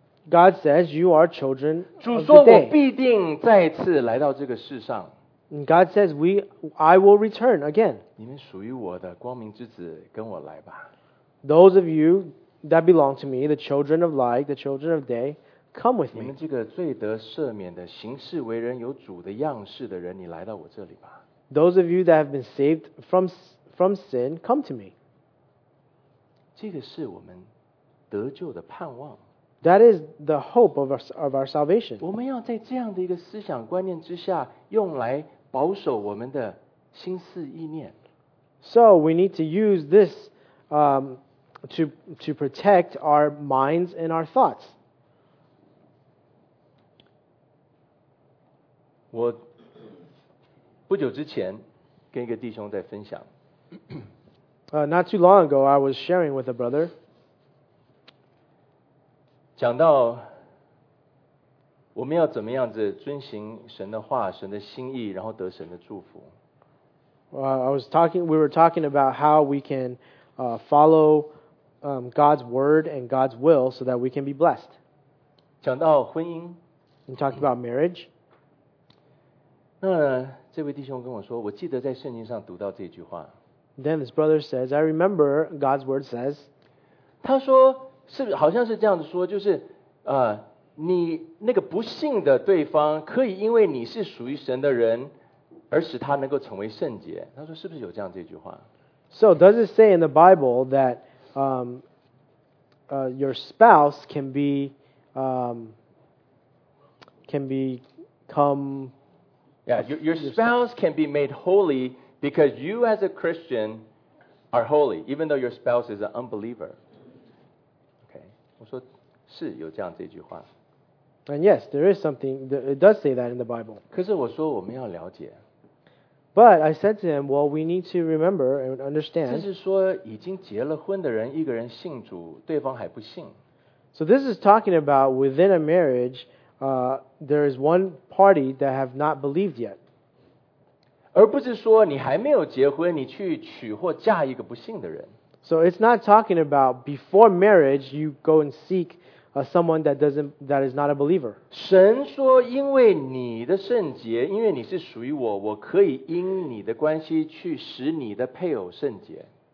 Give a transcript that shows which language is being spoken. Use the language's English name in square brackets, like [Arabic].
[English] God says you are children of the day. [Chinese] 主说我必定再次来到这个世上。 [English] God says I will return again. [Chinese] 你们属于我的光明之子，跟我来吧。 [English] Those of you that belong to me, the children of light, the children of day,Come with me. [Chinese] 你们这个罪得赦免的、行事为人有主的样式的人，你来到我这里吧。 [English] Those of you that have been saved from sin, come to me. [Chinese] 这个是我们得救的盼望。 [English] That is the hope of our salvation. [Chinese] 我们要在这样的一个思想观念之下，用来保守我们的心思意念。 [English] So we need to use this to protect our minds and our thoughts. [Chinese] 我不久之前跟一个弟兄在分享。 [English] Not too long ago, I was sharing with a brother. [Chinese] 讲到我们要怎么样子遵行神的话、神的心意，然后得神的祝福。 [English] We were talking about how we can follow God's word and God's will so that we can be blessed. [Chinese] 讲到婚姻。 [English] We talked about marriage. [Chinese] 那这位弟兄跟我说，我记得在圣经上读到这句话。 [English] Then this brother says, I remember God's word says. [Chinese] 他说是好像是这样子说，就是你那个不信的对方可以因为你是属于神的人，而使他能够成为圣洁。他说是不是有这样这句话 [English] ？So does it say in the Bible that your spouse can become Yeah, your spouse can be made holy because you as a Christian are holy, even though your spouse is an unbeliever. [Chinese] Okay, 我说是有这样这句话。 [English] And yes, there is something, it does say that in the Bible. [Chinese] 可是我说我们要了解。 [English] But I said to him, well, we need to remember and understand. [Chinese] 这是说已经结了婚的人，一个人信主，对方还不信。 [English] So this is talking about within a marriage,there is one party that have not believed yet. [Chinese] 而不是说你还没有结婚，你去娶或嫁一个不信的人。 [English] So it's not talking about before marriage, you go and seek someone that is not a believer. [Chinese] 神说因为你的圣洁，因为你是属于我，我可以因你的关系去使你的配偶圣洁。